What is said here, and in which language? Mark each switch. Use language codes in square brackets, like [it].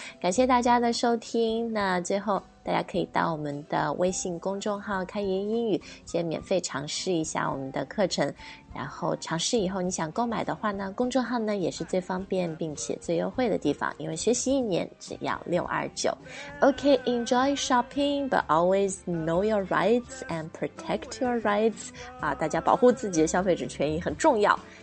[zh] 感谢大家的收听，那最后大家可以到我们的微信公众号开言英语先免费尝试一下我们的课程，然后尝试以后你想购买的话呢，公众号呢也是最方便并且最优惠的地方，因为学习一年只要629。 [en] OK, enjoy shopping, but always know your rights and protect your rights. [zh] 大家保护自己的消费者权益很重要。